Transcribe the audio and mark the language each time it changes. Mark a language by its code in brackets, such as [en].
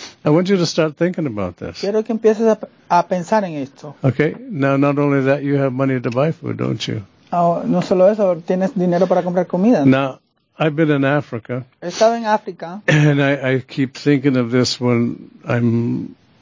[en] I want you to start thinking about this. [es] Quiero que empieces a pensar en esto. [en] Okay. Now, not only that, you have money to buy food, don't you? [es] Oh, no solo eso, tienes dinero para comprar comida. [en] Now, I've been in Africa. [es] He estado en África. [en] And I keep thinking of this when I'm...